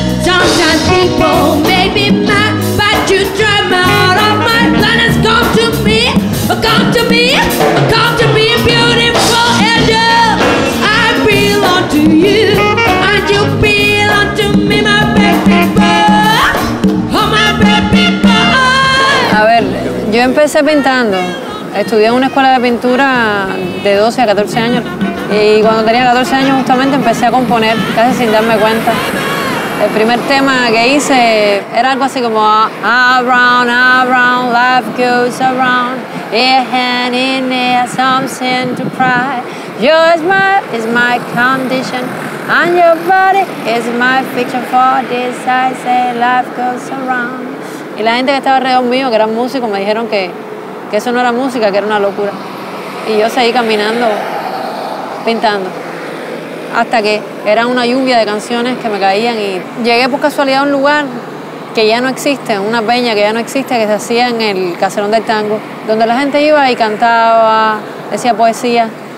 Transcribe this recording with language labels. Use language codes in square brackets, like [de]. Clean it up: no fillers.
[en] Sometimes people may be mad, but you drive me out of my planets. Come to me, come to me, come to me, beautiful angel. I belong to you, and you belong to me, my baby boy. Oh, my baby boy. [es] A ver, yo empecé pintando. Estudié en una escuela de pintura de 12 a 14 años. Y cuando tenía 14 años, justamente empecé a componer, casi sin darme cuenta. El primer tema que hice era algo así como [en] around, around, life goes around, in there, something to cry. Your smile is my condition, and your body is my picture for this. I say life goes around. [es] Y la gente que estaba alrededor mío, que eran músicos, me dijeron que eso no era música, que era una locura. Y yo seguí caminando, pintando. Hasta que era una lluvia de canciones que me caían y llegué por casualidad a un lugar que ya no existe, una peña que ya no existe, que se hacía en el caserón del tango, donde la gente iba y cantaba, decía poesía.